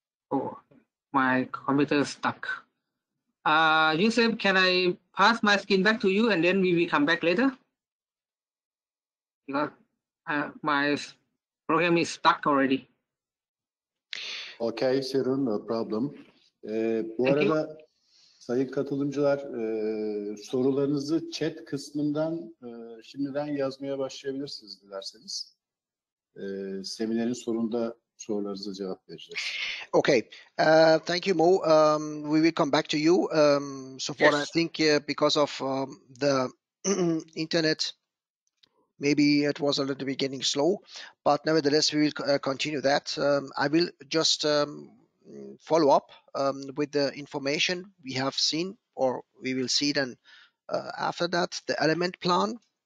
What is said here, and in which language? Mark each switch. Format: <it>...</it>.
<en>Oh, my computer is stuck. Yusuf, can I pass my screen back to you and then we will come back later? Because my program is stuck already. Okay, Serun, no problem.</en> <tr>Bu arada,</tr> <en>thank you.</en> <tr>Sayın katılımcılar, sorularınızı chat kısmından şimdiden yazmaya başlayabilirsiniz dilerseniz. Seminerin sonunda sorularınıza cevap vereceğiz.</tr> <en>Okay, thank you, Mo. We will come back to you. So far, yes. I think because of the internet, maybe it was a little bit getting slow, but nevertheless, we will continue that. I will just follow up with the information we have seen, or we will see then after that, the element plan.</en>